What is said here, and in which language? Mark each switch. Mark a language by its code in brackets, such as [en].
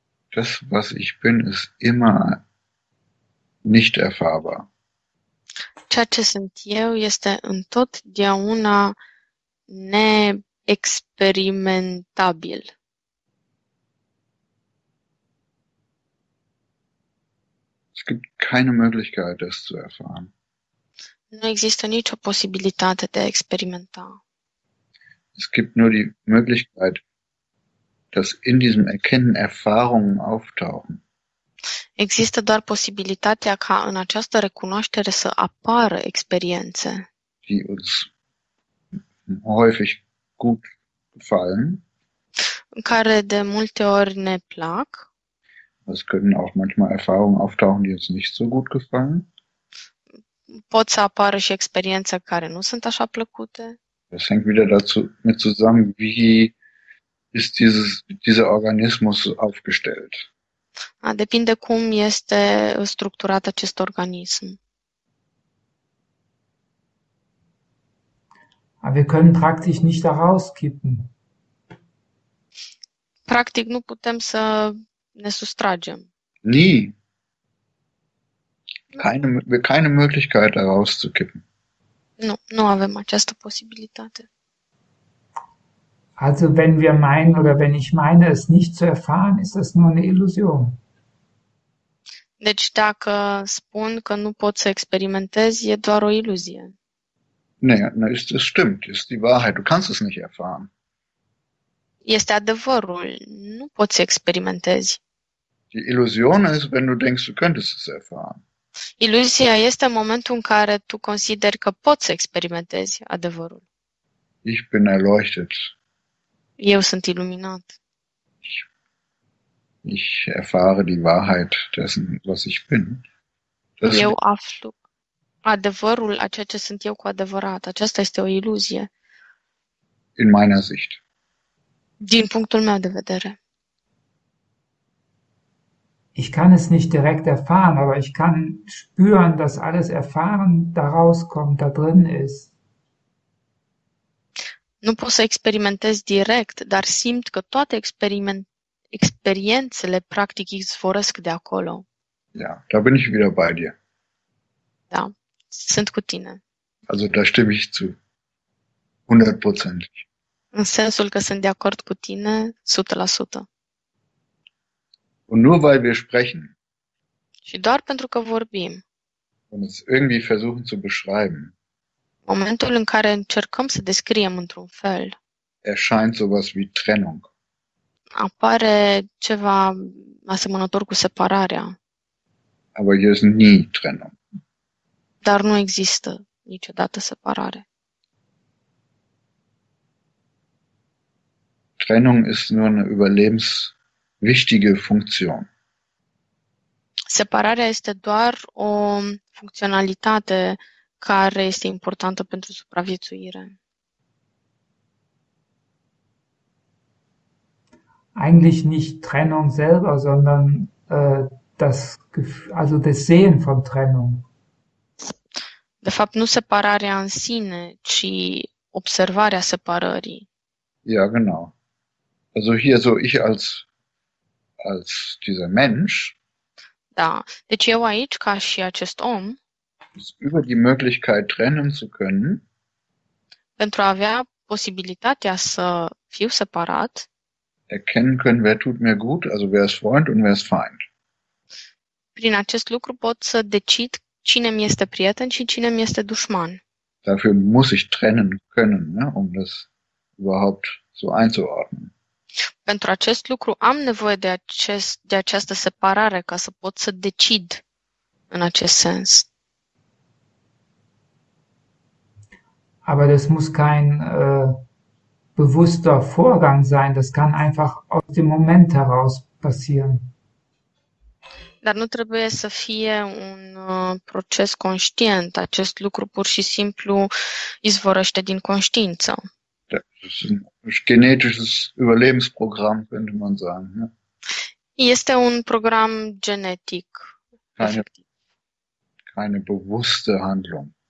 [de] Das, was ich bin, ist immer nicht erfahrbar. [ro] Ceea ce sunt eu este întotdeauna neexperimentabil. [de] Es gibt keine Möglichkeit, das zu erfahren. [ro] Nu există nicio posibilitate de a experimenta. [de] Es gibt nur die Möglichkeit, dass in diesem Erkennen Erfahrungen auftauchen. [ro] Există doar posibilitatea ca în această recunoaștere să apară experiențe. [de] Die uns häufig gut gefallen. [ro] Care de multe ori ne plac. [de] Es können auch manchmal Erfahrungen auftauchen, die uns nicht so gut gefallen. [ro] Pot să apară și experiențe care nu sunt așa plăcute. [de] Das hängt wieder dazu mit zusammen, wie ist dieser Organismus aufgestellt. [ro] A, depinde cum este structurat acest organism. [de] Aber wir können praktisch nicht herauskippen. [ro] Practic, nu putem să ne sustragem. [de] Nie. Keine Möglichkeit, da rauszukippen. [ro] Nu avem această posibilitate. [de] Also, wenn wir meinen oder wenn ich meine, es nicht zu erfahren, ist das nur eine Illusion. [ro] Deci, dacă spun că nu pot să experimentez, e doar o iluzie. [de] Naja, na, ist es stimmt, ist die Wahrheit. Du kannst es nicht erfahren. [ro] Este adevărul, nu pot să experimentez. [de] Die Illusion ist, wenn du denkst, du könntest es erfahren. [ro] Iluzia este momentul în care tu consideri că poți să experimentezi adevărul. [de] Ich bin erleuchtet. [ro] Eu sunt iluminat. [de] Ich erfahre die Wahrheit dessen, was ich bin. Das [ro] Eu [de] ist [ro] aflu adevărul a ceea ce sunt eu cu adevărat. Aceasta este o iluzie. [de] in meiner Sicht. [ro] Din punctul meu de vedere. [de] Ich kann es nicht direkt erfahren, aber ich kann spüren, dass alles Erfahren daraus kommt, da drin ist. [ro] Nu pot să experimentez direct, dar simt că toate experiențele practic izvorăsc de acolo. [de] Ja, da bin ich wieder bei dir. [ro] Da, sunt cu tine. [de] Also da stimme ich zu. Hundertprozentig. [ro] În sensul că sunt de acord cu tine, 100%. [de] Und nur weil wir sprechen [ro] Și doar pentru că vorbim. [de] und es irgendwie versuchen zu beschreiben, [ro] Momentul în care încercăm să descriem într-un fel, [de] erscheint sowas wie Trennung. [ro] apare ceva asemănător cu separarea. [de] Aber hier ist nie Trennung. [ro] Dar nu există niciodată separare. [de] Trennung ist nur eine überlebenswichtige Funktion. [ro] Separarea este doar o funcționalitate care este importantă pentru supraviețuire. [de] Eigentlich nicht Trennung selber, sondern also das Sehen von Trennung. [ro] De fapt, nu separarea în sine, ci observarea separării. [de] Ja, genau. Also hier so ich als dieser Mensch [ro] Da, deci eu aici, ka și acest om, [de] ist über die Möglichkeit trennen zu können. [ro] pentru a avea posibilitatea să fiu separat, [de] Erkennen können, wer tut mir gut, also wer ist Freund und wer ist Feind. [ro] prin acest lucru pot să decid cine mi este prieten și cine mi este dușman. [de] Dafür muss ich trennen können, ne, um das überhaupt so einzuordnen. [ro] Pentru acest lucru am nevoie de această separare ca să pot să decid în acest sens. [de] Aber das muss kein bewusster Vorgang sein, das kann einfach aus dem Moment heraus passieren. [ro] Dar nu trebuie să fie un proces conștient. Acest lucru pur și simplu izvorăște din conștiință. [de] Das ist ein genetisches Überlebensprogramm, könnte man sagen, ne? [ro] Este un program genetic, efectiv. [de] Keine bewusste Handlung.